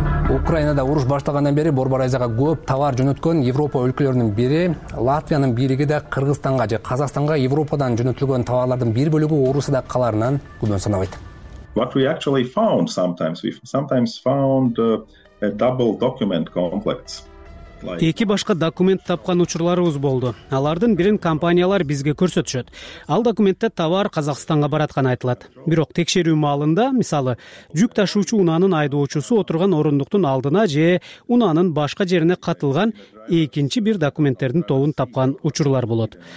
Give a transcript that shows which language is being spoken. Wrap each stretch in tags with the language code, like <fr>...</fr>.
<ky>Украинада уруш баштагандан бери Борбор Азияга көп товар жөнөткөн Европа өлкөлөрүнүн бири Латвиянын бийлиги да Кыргызстанга же Казакстанга Европадан жөнөтүлгөн товарлардын бир бөлүгү Орусияда каларынан күмөн санабайт.</ky> <en>What we actually found sometimes, we sometimes found a double document complex.</en> <ky>Эки башка документ тапкан учурларыбыз болду. Алардын бирин компаниялар бизге көрсөтүшөт. Ал документте товар Казакстанга бараткан айтылат. Бирок текшерүү маалында, мисалы, жүк ташуучу унаанын айдоочусу отурган орундуктун алдына же унаанын башка жерине катылган экинчи бир документтердин тобун тапкан учурлар болот.</ky>